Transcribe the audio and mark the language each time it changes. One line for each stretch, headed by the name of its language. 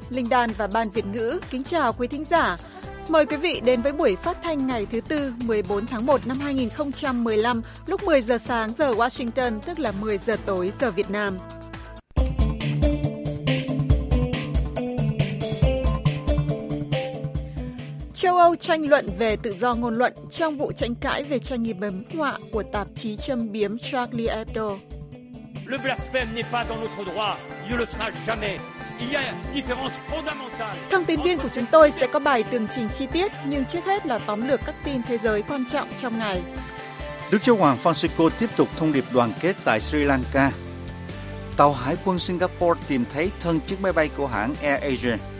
Vietnamese: Linh Đan và Ban Việt Ngữ kính chào quý thính giả. Mời quý vị đến với buổi phát thanh ngày thứ Tư 14 tháng 1 năm 2015 lúc 10 giờ sáng giờ Washington, tức là 10 giờ tối giờ Việt Nam. Châu Âu tranh luận về tự do ngôn luận trong vụ tranh cãi về trang nghiệp bấm họa của tạp chí châm biếm Charlie Hebdo.
French: Le blasphème n'est pas dans notre droit, il le sera jamais. Il y a une différence fondamentale.
Vietnamese: Thông tin viên của chúng tôi sẽ có bài tường trình chi tiết, nhưng trước hết là tóm lược các tin thế giới quan trọng trong ngày. Đức Giáo Hoàng Francisco tiếp tục thông điệp đoàn kết tại Sri Lanka. Tàu hải quân Singapore tìm thấy thân chiếc máy bay của hãng Air Asia.